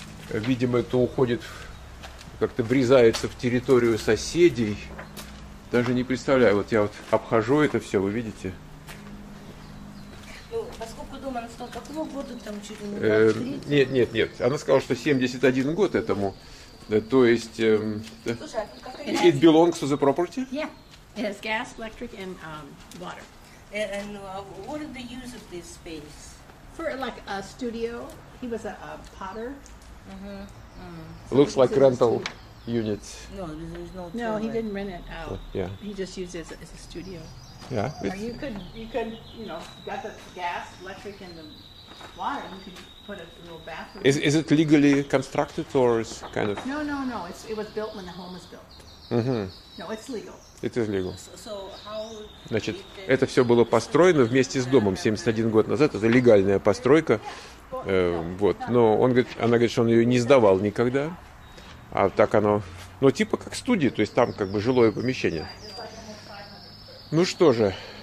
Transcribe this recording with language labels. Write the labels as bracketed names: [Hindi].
[Russian] Видимо, это уходит, как-то врезается в территорию соседей. Даже не представляю, вот я вот обхожу это все, вы видите. Ну, поскольку дома она стала такого года, там чуть ли не 23. Нет. Она сказала, что 71 год этому. То есть... Слушай, а тут как-то... [English] It belongs to the property? Yeah. It has gas, electric and water. And what is the use of this space? For like a studio. He was a potter. Mm-hmm. So looks like rental units. No, there's no. No, he didn't rent it out. Yeah. He just used it as a studio. Yeah. You got the gas, electric, and the water. You could put a little bathroom. Is it legally constructed or is kind of? No. It was built when the home was built. Mm-hmm. No, it's legal. [Russian] Это легал. Значит, это все было построено вместе с домом 71 год назад. Это легальная постройка. Вот. Но она говорит, что он ее не сдавал никогда. А так оно... Ну, типа как студия, то есть там как бы жилое помещение. Ну что же.